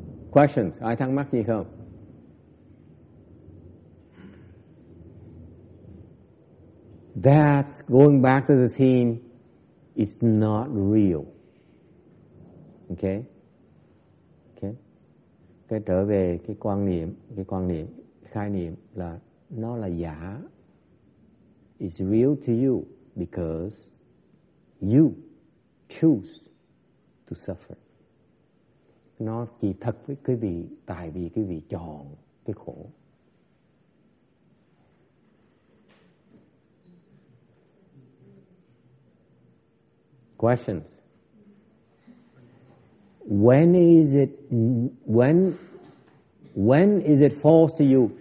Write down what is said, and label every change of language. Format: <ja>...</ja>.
<vi>Questions? Ai thắc mắc gì không?</vi> <en>That's going back to the theme, is not real. Okay?</en> <vi>Cái trở về cái quan niệm, khái niệm là nó là giả.</vi> <en>It's real to you because you choose to suffer.</en> <vi>Nó chỉ thật với quý vị tại vì quý vị chọn cái khổ.</vi> <en>Questions. When is it false to you?</en>